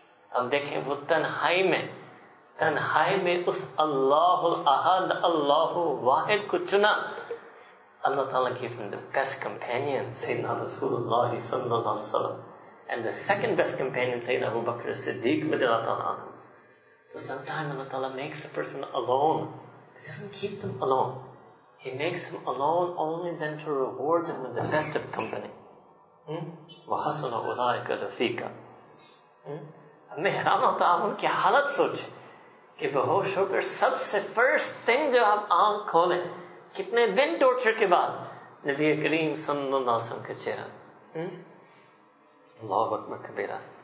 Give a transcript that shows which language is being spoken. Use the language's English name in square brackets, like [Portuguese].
[Urdu] اب دیکھیں وہ تنہائی میں, تنہائی میں اس اللہ الاحد اللہ واحد کو چنا, اللہ تعالیٰ [English] gave him the best companion [Urdu] سیدنا رسول اللہ صلی اللہ علیہ وسلم [English] and the second best companion [Urdu] سیدنا ابو بکر صدیق رضی اللہ تعالیٰ عنہ. [English] So sometimes Allah تعالیٰ makes a person alone, he doesn't keep them alone, he makes them alone only then to reward them with the best of company. [Arabic] وحسن اولئک رفیقا. [Urdu] میں حیران ہوتا ہوں کہ حالت سوچ کہ بہوش ہو کر سب سے [English] first thing [Urdu] جو آپ آنکھ کھولیں کتنے دن ٹورچر کے بعد نبی کریم صلی اللہ علیہ وسلم کا چہرہ. اللہ اکبر کبیرہ.